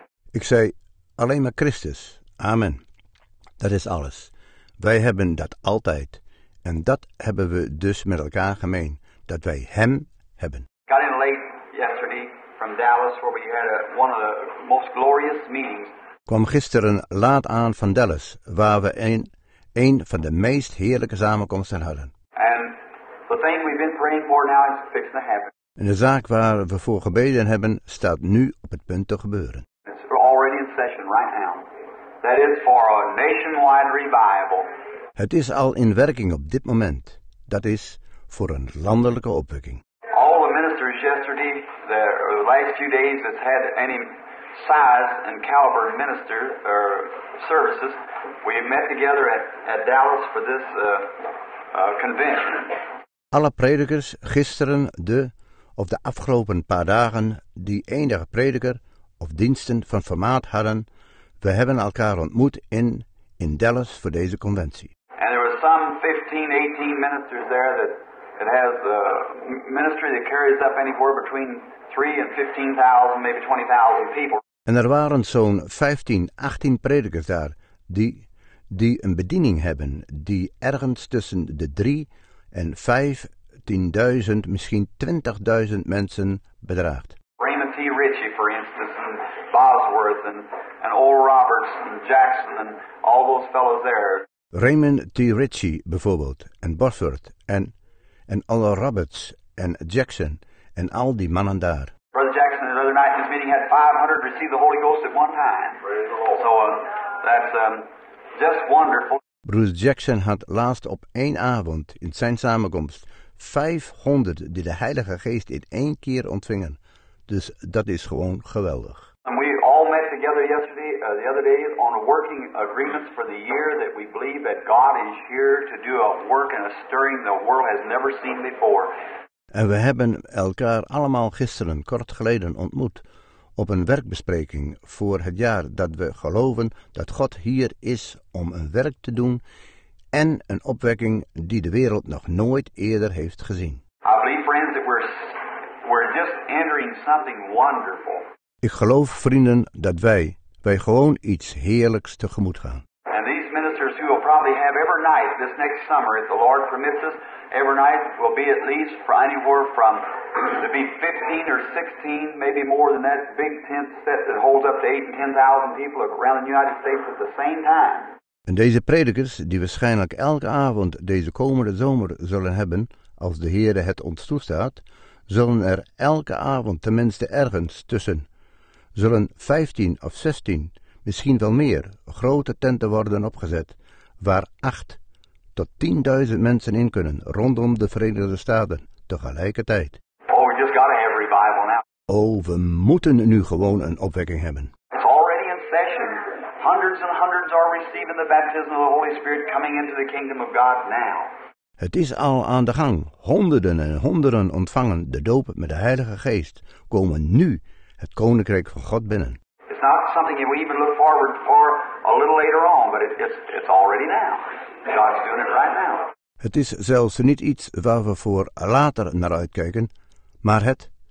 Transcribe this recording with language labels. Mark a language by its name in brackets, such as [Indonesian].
[Dutch] Ik zei, alleen maar Christus. Amen. Dat is alles. Wij hebben dat altijd. En dat hebben we dus met elkaar gemeen. Dat wij hem hebben. [English] Got in late yesterday. Dallas, where we had one of the most glorious meetings. [Dutch] Kwam gisteren laat aan van Dallas, waar we een van de meest heerlijke samenkomsten hadden. [English] And the thing we've been praying for now is fixing to happen. [Dutch] En de zaak waar we voor gebeden hebben, staat nu op het punt te gebeuren. [English] It's already in session right now. That is for a nationwide revival. [Dutch] Het is al in werking op dit moment. Dat is voor een landelijke opwekking. [English] All the ministers yesterday. The last few days it's had any size and caliber minister or services. We met together at Dallas for this convention. [Dutch] Alle predikers gisteren de afgelopen paar dagen die enige prediker of diensten van formaat hadden, we hebben elkaar ontmoet in Dallas voor deze conventie. [English] And there were some 15, 18 ministers there that it has a ministry that carries up anywhere between 3,000 and 15,000, maybe 20,000 people. [Dutch] En er waren zo'n 15, 18 predikers daar die een bediening hebben die ergens tussen de 3,000 and 15,000, misschien 20,000 mensen bedraagt. [English] Raymond T. Ritchie, for instance, and Bosworth, and Oral Roberts, and Jackson, and all those fellows there. [Dutch] Raymond T. Ritchie, bijvoorbeeld, en Bosworth, en Oral Roberts, en Jackson. En al die mannen daar. [English] Brother Jackson, the other night in his meeting, had 500 receive the Holy Ghost at one time. So that's just wonderful. [Dutch] Bruce Jackson had laatst op één avond in zijn samenkomst 500 die de Heilige Geest in één keer ontvingen. Dus dat is gewoon geweldig. [English] And we all met together yesterday, the other day, on a working agreements for the year that we believe that God is here to do a work and a stirring the world has never seen before. [Dutch] En we hebben elkaar allemaal gisteren kort geleden ontmoet op een werkbespreking voor het jaar dat we geloven dat God hier is om een werk te doen en een opwekking die de wereld nog nooit eerder heeft gezien. [English] I believe, friends, that we're just entering something wonderful. [Dutch] Ik geloof, vrienden, dat wij gewoon iets heerlijks tegemoet gaan. [English] And these ministers who will probably have every night this next summer, if the Lord permits us. Every night will be at least for anywhere from to be 15 or 16, maybe more than that big tent set that holds up to 8,000 and 10,000 people around the United States at the same time. [Dutch] En deze predikers die waarschijnlijk elke avond deze komende zomer zullen hebben, als de Heere het ons toestaat, zullen er elke avond tenminste ergens tussen, zullen 15 of 16, misschien wel meer, grote tenten worden opgezet, waar 8 tot 10,000 mensen in kunnen rondom de Verenigde Staten tegelijkertijd. [English] Oh, we just gotta have revival now. [Dutch] Oh, we moeten nu gewoon een opwekking hebben. [English] It's already in session. Hundreds and hundreds are receiving the baptism of the Holy Spirit coming into the kingdom of God now. [Dutch] Het is al aan de gang. Honderden en honderden ontvangen de doop met de Heilige Geest, komen nu het koninkrijk van God binnen. [English] It's not something that we even look forward for a little later on, but it's already now. God's doing it right now. [Dutch] Het is zelfs niet iets waar we voor later naar uitkijken, maar het